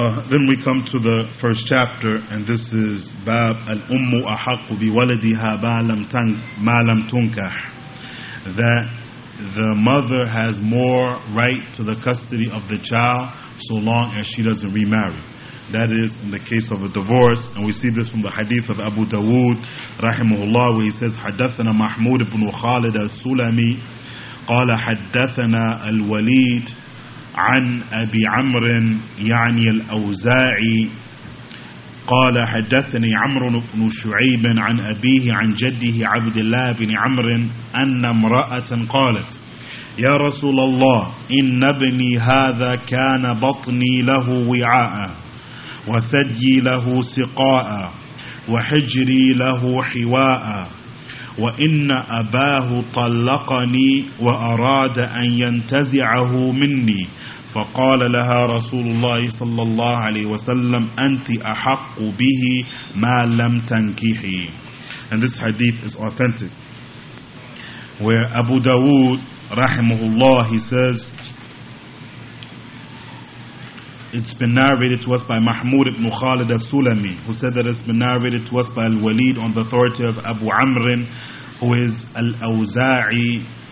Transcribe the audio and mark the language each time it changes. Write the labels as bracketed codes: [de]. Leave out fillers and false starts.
[en] Then we come to the first chapter, and this is Bab al-Ummu ahaqqu biwaladiha ma lam tunkah, that the mother has more right to the custody of the child so long as she doesn't remarry. That is in the case of a divorce. And we see this from the hadith of Abu Dawood rahimahullah, where he says [ar] حدثنا محمود بن خالد السلمي قال حدثنا الوليد عن أبي عمرو يعني الأوزاعي قال حدثني عمرو بن شعيب عن أبيه عن جده عبد الله بن عمرو أن امرأة قالت يا رسول الله إن ابني هذا كان بطني له وعاء وثدي له سقاء وحجري له حواء وإن أباه طلقني وأراد أن ينتزعه مني فقال لها رسول الله صلى الله عليه وسلم أنت أحق به ما لم تنكحي. [en] And this hadith is authentic, where Abu Dawood rahimahullah, he says, it's been narrated to us by Mahmud ibn Khalid al-Sulami, who said that it's been narrated to us by al-Walid on the authority of Abu Amr, who is al-Awza'i,